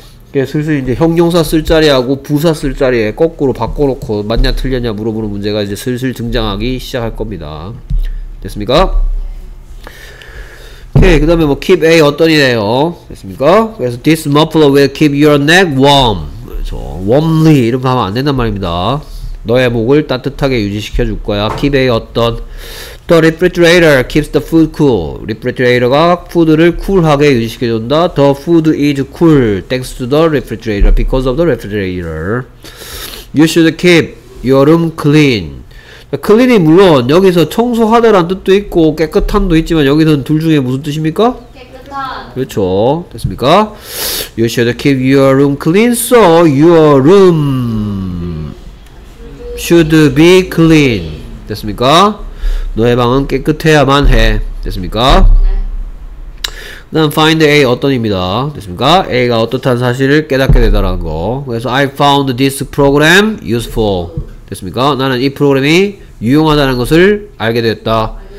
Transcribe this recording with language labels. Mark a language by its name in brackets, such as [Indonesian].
[Korean] 이게 슬슬 이제 형용사 쓸 자리하고 부사 쓸 자리에 거꾸로 바꿔놓고 맞냐 틀렸냐 물어보는 문제가 이제 슬슬 등장하기 시작할 겁니다. 됐습니까? 오케이 그 다음에 뭐 keep A 어떤 이래요. 됐습니까? 그래서 [English] this muffler will keep your neck warm. [Korean] 그렇죠. warmly 이런 거 하면 안 된단 말입니다. 너의 목을 따뜻하게 유지시켜 줄 거야. [English] keep A 어떤 the refrigerator keeps the food cool. [Korean] refrigerator가 푸드를 쿨하게 유지시켜 준다. [English] the food is cool thanks to the refrigerator because of the refrigerator. you should keep your room clean. [Korean] clean이 물론 여기서 청소하다란 뜻도 있고 깨끗함도 있지만 여기서는 둘 중에 무슨 뜻입니까? 그렇죠. 됐습니까? [English] You should keep your room clean so your room should be clean. [Korean] 됐습니까? 너의 방은 깨끗해야만 해. 됐습니까? 난 find A 어떤입니다. 됐습니까? A가 어떻다는 사실을 깨닫게 되다라는 거. 그래서 [English] I found this program useful. [Korean] 됐습니까? 나는 이 프로그램이 유용하다는 것을 알게 되었다.